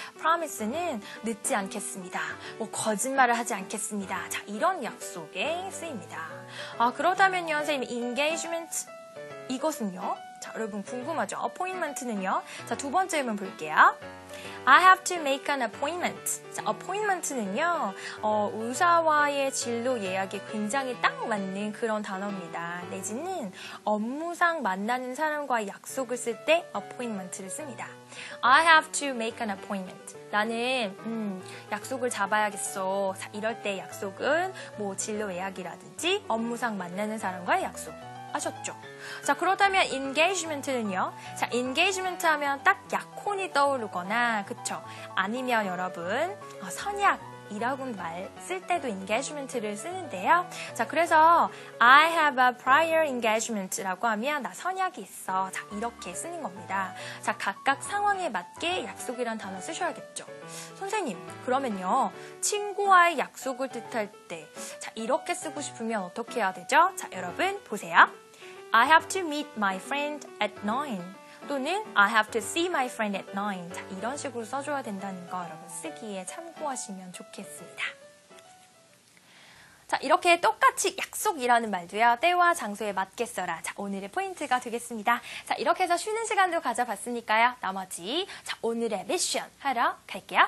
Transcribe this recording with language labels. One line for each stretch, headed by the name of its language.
Korean: 프라미스는 늦지 않겠습니다. 뭐 거짓말을 하지 않겠습니다. 자, 이런 약속에 쓰입니다. 아, 그렇다면요, 선생님, engagement 이것은요? 자, 여러분 궁금하죠? appointment는요? 자, 두 번째 질문 볼게요.
English: I have to make an appointment.
Korean: 자, appointment는요, 의사와의 진료 예약이 굉장히 딱 맞는 그런 단어입니다. 내지는 업무상 만나는 사람과 약속을 쓸 때 appointment를 씁니다.
English: I have to make an appointment.
Korean: 나는 약속을 잡아야겠어. 자, 이럴 때 약속은 뭐 진료 예약이라든지 업무상 만나는 사람과의 약속. 아셨죠? 자, 그렇다면 engagement는요? 자, engagement 하면 딱 약혼이 떠오르거나, 그쵸? 아니면 여러분, 선약이라고 말 쓸 때도 engagement를 쓰는데요. 자, 그래서
English: I have a prior engagement
Korean: 라고 하면 나 선약이 있어. 자, 이렇게 쓰는 겁니다. 자, 각각 상황에 맞게 약속이란 단어 쓰셔야겠죠? 선생님, 그러면요, 친구와의 약속을 뜻할 때, 자, 이렇게 쓰고 싶으면 어떻게 해야 되죠? 자, 여러분 보세요.
English: I have to meet my friend at 9. 또는 I have to see my friend at 9.
Korean: 자, 이런 식으로 써줘야 된다는 거 여러분 쓰기에 참고하시면 좋겠습니다. 자, 이렇게 똑같이 약속이라는 말도요, 때와 장소에 맞게 써라. 자, 오늘의 포인트가 되겠습니다. 자, 이렇게 해서 쉬는 시간도 가져봤으니까요. 나머지, 자, 오늘의 미션 하러 갈게요.